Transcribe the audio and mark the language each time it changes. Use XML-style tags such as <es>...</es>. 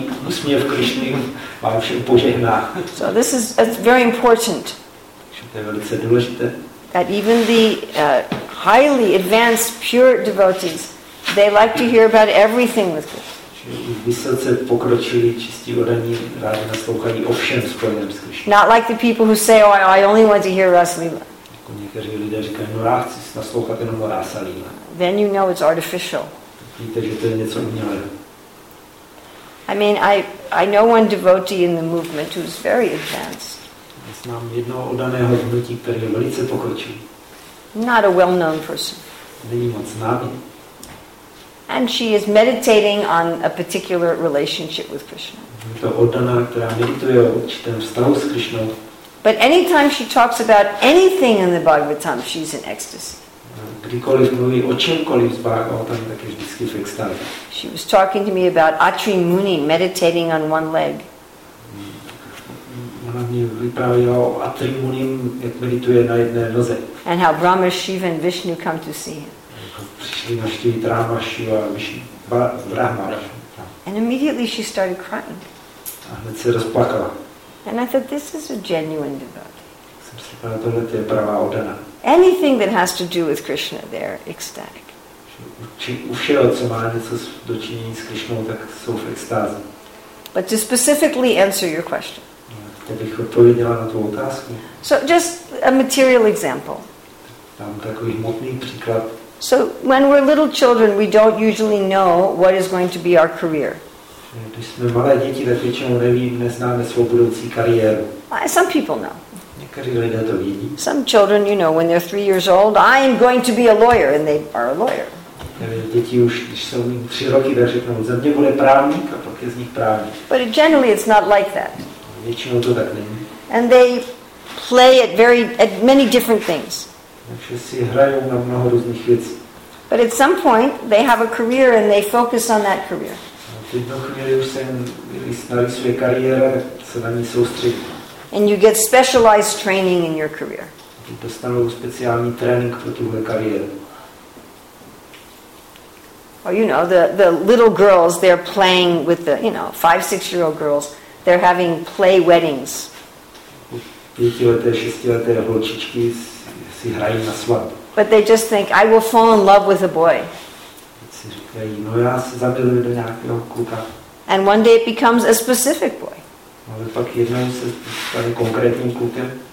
<en>So this is very important. That even the highly advanced pure devotees, they like to hear about everything with Krishna.</en> <cs>Vysoce pokročili čistí odaní rádi naslouchají o všem spojeném s Krishna.</cs> <en>Not like the people who say, oh, I only want to hear Rasalila.</en> <cs>Někteří lidé říkají, no rád chci naslouchat jenom Rasalila.</cs> <en>Then you know it's artificial.</en> <cs>Víte, že to je něco umělého.</cs> <en>I mean, I know one devotee in the movement who's very advanced.</en> <cs>Já znám jednoho odaného hnutí, který je velice pokročilý.</cs> <en>Not a well-known person.</en> <cs>Není moc známý.</cs> <en>And she is meditating on a particular relationship with Krishna.</en> <cs>To odaná, která medituje o určitém vztahu s Krishnou.</cs> <en>But anytime she talks about anything in the Bhagavatam, she's in ecstasy.</en> <cs>Kdykoliv mluví o čemkoliv z Bhagavatam, tak je vždycky v extáze.</cs> <en>She was talking to me about Atri Muni meditating on one leg.</en> <cs>Ona mi vyprávěla o Atri Muni, jak medituje na jedné noze.</cs> <en>And how Brahma, Shiva and Vishnu come to see him.</en> <cs>přišli navštívit Ráma Šiva a Brahma.</cs> <en>And immediately she started crying.</en> <cs>A hned se rozplakala.</cs> <en>And I thought, this is a genuine devotee.</en> <cs>Jsem si říkal, tohle je pravá oddaná.</cs> <en>Anything that has to do with Krishna, they're ecstatic.</en> <cs>U všeho, co má něco dočinění s Krishnou, tak jsou v extázi.</cs> <en>But to specifically answer your question.</en> <cs>Abych odpověděla na tu otázku.</cs> <en>So just a material example.</en> <cs>Tam takový hmotný příklad.</cs> <en>So when we're little children, we don't usually know what is going to be our career.</en> <cs>Když jsme malé děti, tak většinou nevíme, neznáme svou budoucí kariéru.</cs> <en>Some people know.</en> <cs>Někteří lidé to vědí.</cs> <en>Some children, you know, when they're 3 years old, I am going to be a lawyer, and they are a lawyer.</en> <cs>Děti už, když jsou jim 3 roky, tak řeknou, za mě bude právník a pak je z nich právník.</cs> <en>But generally it's not like that.</en> <cs>Většinou to tak není.</cs> <en>And they play at very at many different things.</en> <cs>Takže si hrajou na mnoho různých věcí.</cs> <en>But at some point they have a career and they focus on that career.</en> <cs>V jednu chvíli už se narysuje kariéra, se na ní soustředí.</cs> <en>And you get specialized training in your career.</en> <cs>Dostanou speciální trénink pro tuhle kariéru.</cs> <en>Oh, you know, the little girls, they're playing with the, you know, 5-6-year-old girls. They're having play weddings.</en> <cs>Pětileté, šestileté holčičky si hrají na svatbu.</cs> <en>But they just think, I will fall in love with a boy.</en> <cs>Si říkají, no já se zamiluji do nějakého kluka.</cs> <en>And one day it becomes a specific boy.</en> <cs>Ale pak jednou se stane konkrétním klukem.</cs>